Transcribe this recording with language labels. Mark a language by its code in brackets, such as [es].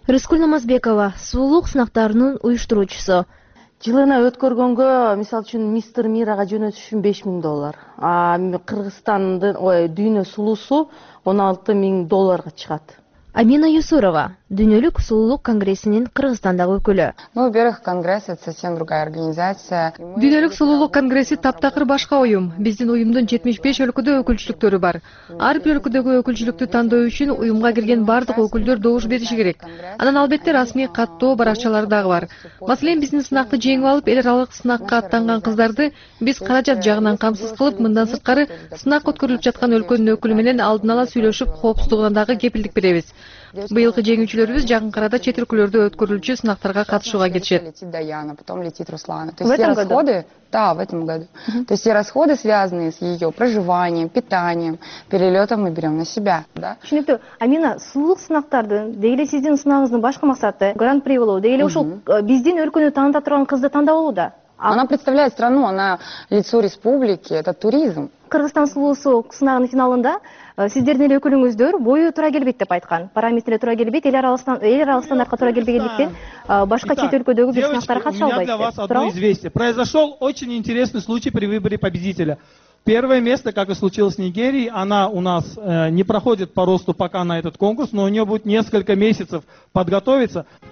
[ky] Рыскүл Намазбекова, сулуулук сынактарынын уюштуруучусу. Жылына өткөргөнгө, мисалы үчүн, мистер Мирага жөнөтүшүм $5,000. Кыргызстандын дүйнө сулуусу $16,000 чыгат. Амина Юсурова, дүйнөлүк сулуулук конгрессинин Кыргызстандагы өкүлү. [ru] Ну, во-первых, конгресс это совсем другая организация. [ky] Дүйнөлүк сулуулук конгресси таптакыр башка уюм. Биздин уюмдун 75 өлкөдө өкүлчүлүктөрү бар. Ар бир өлкөдөгү өкүлчүлүктү тандоо үчүн уюмга кирген бардык өкүлдөр добуш бериши керек. Анан албетте расмий каттоо баракчалары дагы бар. Маселен, биздин сынакты жеңип алып, эл аралык сынакка аттанган кыздарды биз каражат жагынан камсыз кылып, мындан сырткары сынак өткөрүлүп жаткан өлкөнүн өкүлү менен алдын ала сүйлөшүп, коопсуздугуна дагы кепилдик беребиз. Быйылкы жеңүүчүлөрүбүз жакынкы арада чет өлкөлөрдө өткөрүлүүчү сынактарга катышууга кетишет. [ru] Летит Даяна, потом летит Руслана. То есть все расходы, да, в этом году. То есть все расходы, связанные с ее проживанием, питанием, перелетом мы берем на себя, да? [ky] Түшүнүктүү. Амина, сулуулук сынактарды, дейли сиздин сынагыңыздын башка максаты, гран-при болобу, дейли ушул биздин өлкөнү тандап турган кызды тандап алуу да. [ru] Она представляет страну, она лицо республики, это туризм. [ky] Кыргызстан сулуусу сынагынын финалында сиздердин эле өкүлүңүздөр бою туура келбейт деп айткан. Параметрлер туура келбейт, эл аралык стандартка туура келбегендиктен башка чет өлкөдөгү бир сынактарга катыша албайт. [ru] Произошел очень интересный случай при выборе победителя. Первое место, как и случилось в Нигерии, она у нас не проходит по росту пока на этот конкурс, но у нее будет несколько месяцев подготовиться.